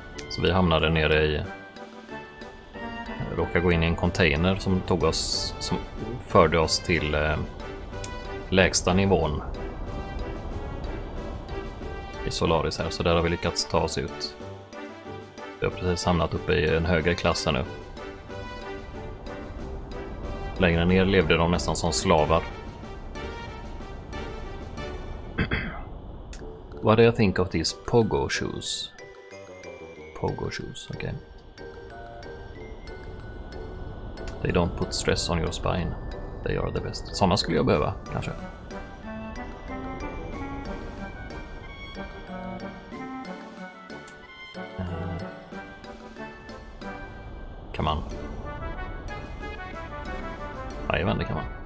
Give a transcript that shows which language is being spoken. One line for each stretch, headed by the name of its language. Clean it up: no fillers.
Swedish: Så vi hamnade nere i... Råkade gå in i en container som tog oss, som förde oss till lägsta nivån i Solaris här, så där har vi lyckats ta oss ut. Vi har precis hamnat uppe i en högre klass här nu. Längre ner levde de nästan som slavar.
English: What do you think of these pogo shoes? Pogo shoes, okej. Okay. They don't put stress on your spine. They are the best.
Swedish: Såna skulle jag behöva, kanske.
English: Come on.
Swedish: Jajamän, det kan man.